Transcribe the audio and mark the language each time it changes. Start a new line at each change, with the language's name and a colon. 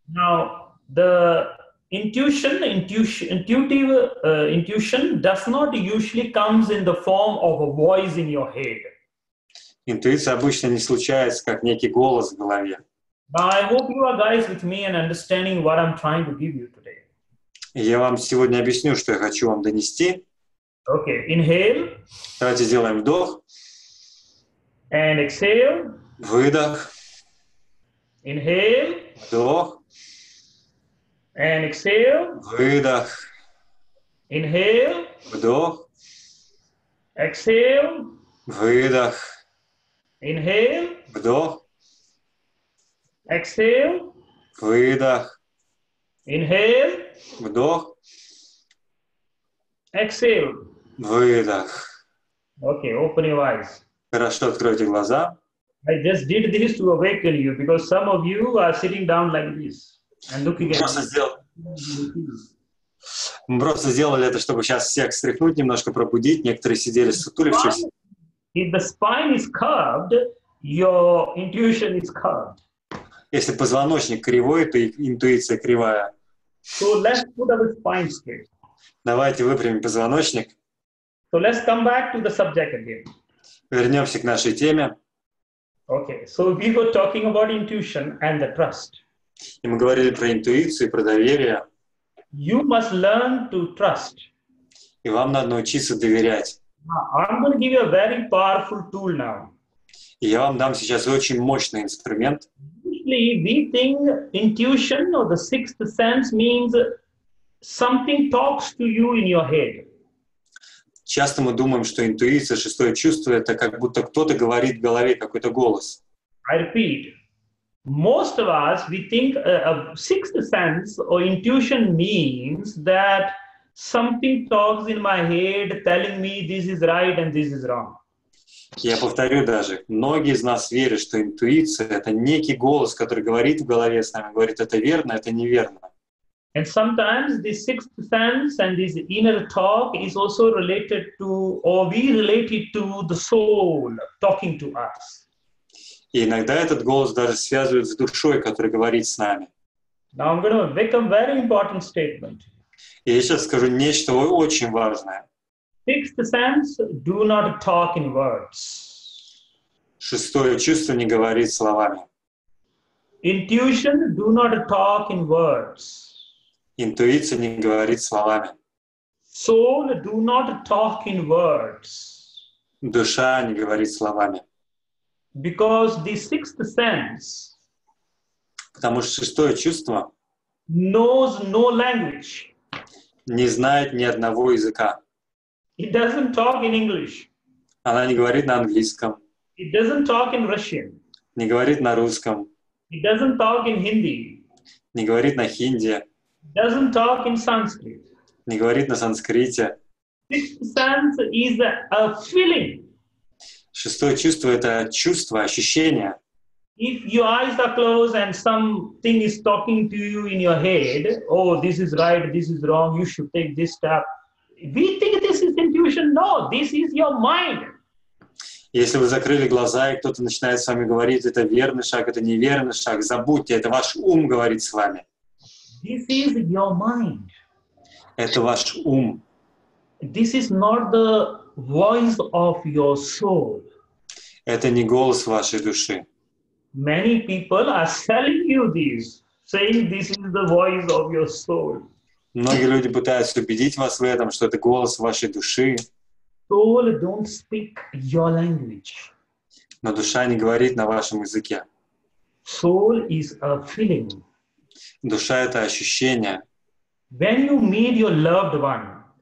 English: Now, the intuition does not usually comes in the form of a voice in your head.
Russian: Интуиция обычно не случается как некий голос в голове.
English: Now, I hope you are guys with me and understanding what I'm trying to give you today.
Russian: Я вам сегодня объясню, что я хочу вам донести.
English: Okay, inhale.
Russian: Давайте сделаем вдох.
English: And exhale.
Russian: Выдох.
English: Inhale.
Russian: Вдох.
English: And exhale.
Russian: Выдох.
English: Inhale.
Russian: Вдох.
English: Exhale.
Russian: Выдох.
English: Inhale.
Russian: Вдох.
English: Exhale.
Russian: Выдох.
English: Inhale.
Russian: Вдох.
English: Exhale.
Russian: Выдох.
English: Okay, open your eyes.
Russian: Хорошо, откройте глаза.
English: I just did this to awaken you because some of you are sitting down like this and looking at
Russian: Мы просто сделали это, чтобы сейчас всех встряхнуть, немножко пробудить. Некоторые сидели сутулившись.
English: If the spine is curved, your intuition is curved.
Russian: Если позвоночник кривой, то интуиция кривая.
English: So let's put our spine straight.
Russian: Давайте выпрямим позвоночник.
English: So let's come back to the subject again.
Russian: Вернемся к нашей теме.
English: Okay, so we were talking about intuition and the trust.
Russian: И мы говорили про интуицию, про доверие.
English: You must learn to trust.
Russian: И вам надо научиться доверять.
English: I'm going to give you a very powerful tool now.
Russian: И я вам дам сейчас очень мощный инструмент.
English: Usually we think intuition or the sixth sense means something talks to you in your head.
Russian: Часто мы думаем, что интуиция, шестое чувство, это как будто кто-то говорит в голове какой-то голос.
English: I repeat. Most of us, we think a sixth sense or intuition means that something talks in my head telling me this is right and this is wrong.
Russian: Я повторю даже. Многие из нас верят, что интуиция — это некий голос, который говорит в голове с нами, говорит, это верно, это неверно.
English: And sometimes this sixth sense and this inner talk is also related to, or we related to the soul talking to us.
Russian: И иногда этот голос даже связывает с душой, которая говорит с нами.
English: Now I'm going to make a very important statement.
Russian: И я сейчас скажу нечто очень важное.
English: Sixth sense do not talk in words.
Russian: Шестое чувство не говорит словами.
English: Intuition do not talk in words.
Russian: Интуиция не говорит словами.
English: Soul do not talk in words.
Russian: Душа не говорит словами.
English: Because the sixth sense,
Russian: потому что шестое чувство,
English: knows no language,
Russian: не знает ни одного языка.
English: It doesn't talk in English.
Russian: Она не говорит на английском.
English: It doesn't talk in Russian.
Russian: Не говорит на русском.
English: It doesn't talk in Hindi.
Russian: Не говорит на хинди.
English: It doesn't talk in Sanskrit.
Russian: Не говорит на санскрите.
English: Sixth sense is a feeling.
Russian: Шестое чувство — это чувство, ощущение.
English: If your eyes are closed and something is talking to you in your head, oh, this is right, this is wrong, you should take this step. We think this is intuition. No, this is your mind.
Russian: Если вы закрыли глаза, и кто-то начинает с вами говорить, это верный шаг, это неверный шаг, забудьте, это ваш ум говорит с вами.
English: This is your mind.
Russian: Это ваш ум.
English: This is not the voice of your soul.
Russian: Это не голос вашей души.
English: Many people are selling you this, saying this is the voice of your soul.
Russian: Многие люди пытаются убедить вас в этом, что это голос вашей души.
English: Soul don't speak your language.
Russian: Но душа не говорит на вашем языке.
English: Soul is a feeling.
Russian: Душа — это ощущение.
English: When you meet your loved one,